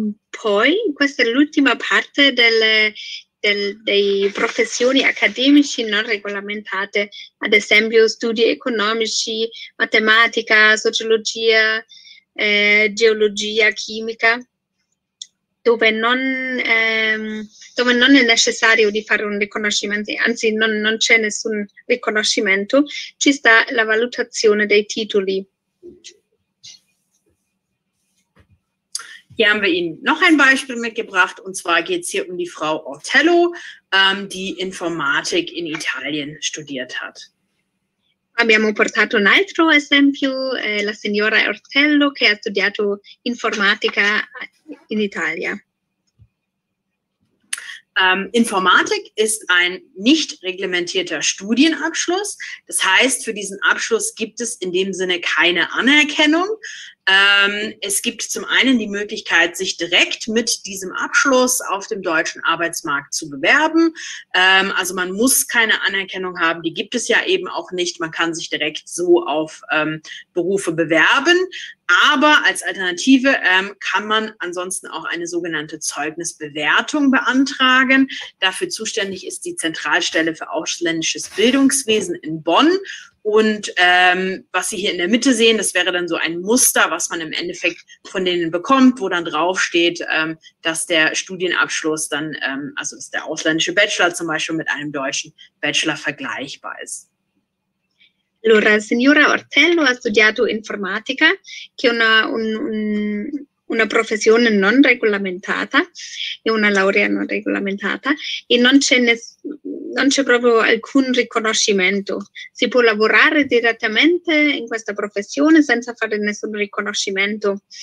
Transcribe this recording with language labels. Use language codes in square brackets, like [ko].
[it] Poi, questa è l'ultima parte dei professioni accademici non regolamentate, ad esempio studi economici, matematica, sociologia, geologia, chimica, dove non è necessario di fare un riconoscimento, anzi non c'è nessun riconoscimento, ci sta la valutazione dei titoli. [de] Hier haben wir Ihnen noch ein Beispiel mitgebracht, und zwar geht es hier um die Frau Ortello, die Informatik in Italien studiert hat. [it] Abbiamo portato un altro esempio, la signora Ortello, che ha studiato informatica in Italia. [de] Informatik ist ein nicht reglementierter Studienabschluss. Das heißt, für diesen Abschluss gibt es in dem Sinne keine Anerkennung. Es gibt zum einen die Möglichkeit, sich direkt mit diesem Abschluss auf dem deutschen Arbeitsmarkt zu bewerben. Also man muss keine Anerkennung haben, die gibt es ja eben auch nicht. Man kann sich direkt so auf Berufe bewerben. Aber als Alternative kann man ansonsten auch eine sogenannte Zeugnisbewertung beantragen. Dafür zuständig ist die Zentralstelle für ausländisches Bildungswesen in Bonn. Und was Sie hier in der Mitte sehen, das wäre dann so ein Muster, was man im Endeffekt von denen bekommt, wo dann draufsteht, dass der Studienabschluss dann, also dass der ausländische Bachelor zum Beispiel mit einem deutschen Bachelor vergleichbar ist. [it] Allora, signora Ortello ha studiato informatica, che è una professione non regolamentata, è una laurea non regolamentata, e non c'è proprio alcun riconoscimento. Si può lavorare direttamente in questa professione senza fare nessun riconoscimento.